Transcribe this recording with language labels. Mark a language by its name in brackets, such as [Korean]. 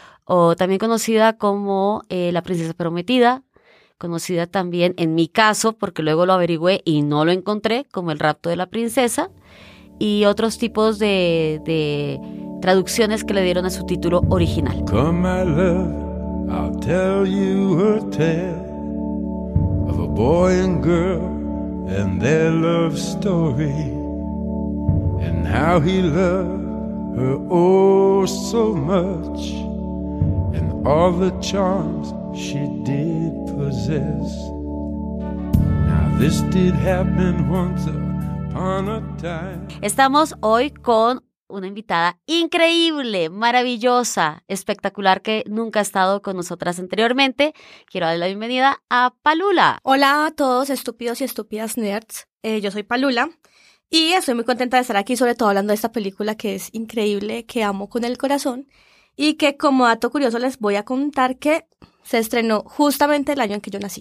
[Spanish] O también conocida como La Princesa Prometida. Conocida también, en mi caso, porque luego lo averigüé y no lo encontré, como El Rapto de la Princesa. Y otros tipos de traducciones que le dieron a su título original. [English] Come, my love. I'll tell you a tale of a boy and girl and their love story, and how he loved her oh so much, and all the charms she did possess. Now this did happen once upon a time. [Spanish] Estamos hoy con una invitada increíble, maravillosa, espectacular que nunca ha estado con nosotras anteriormente. Quiero darle la bienvenida a Palula. Hola a todos, estúpidos y estúpidas nerds. Yo soy Palula y estoy muy contenta de estar aquí, sobre todo hablando de esta película que es increíble, que amo con el corazón y que, como dato curioso, les voy a contar que se estrenó justamente el año en que yo nací.